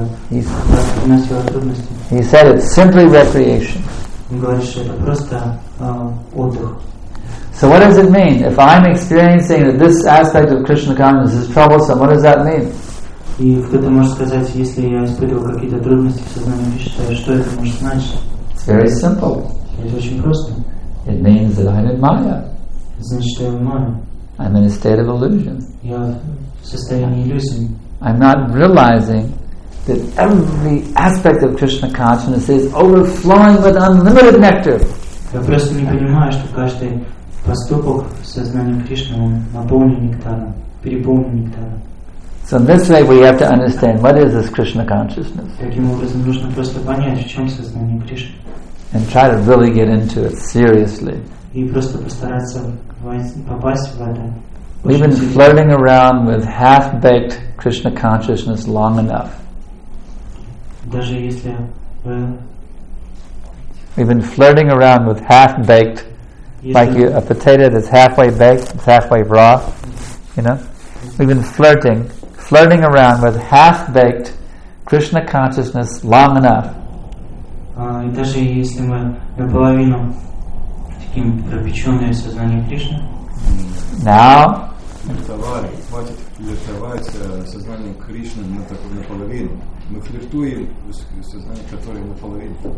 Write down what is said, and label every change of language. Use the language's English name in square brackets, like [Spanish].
[English] He said it's simply recreation. So what does it mean? If I'm experiencing that this aspect of Krishna consciousness is troublesome, what does that mean? [Russian] И кто-то может сказать, если я испытываю какие-то трудности в сознании Кришны, что это может значить? [English] It's very simple. [Russian] Это очень просто. [English] It means that I'm in Maya. [Russian] Значит, что я в Майя. [English] I'm in a state of illusion. [Russian] Я в состоянии иллюзии. [English] I'm not realizing that every aspect of Krishna consciousness is overflowing with unlimited nectar. [Russian] Я просто не понимаю, что каждый поступок в сознании Кришны наполнен нектаром, переполнен нектаром. [English] So in this way we have to understand what is this Krishna consciousness. [Russian] Таким образом нужно просто понять, в чем сознание Кришны. [English] And try to really get into it seriously. [Russian] И просто постараться попасть в это. [English] We've been flirting around with half-baked Krishna consciousness long enough. [Russian] Даже если вы... [English] We've been flirting around with half-baked, like a potato that's halfway baked, it's halfway raw, you know? We've been flirting around with half-baked Krishna consciousness long enough. [Russian] Даже если мы наполовину таким пропеченное сознание Кришны. [English] Now. [Russian] Флиртовать сознание Кришны на такую наполовину. Мы флиртуем с сознанием, которое наполовину.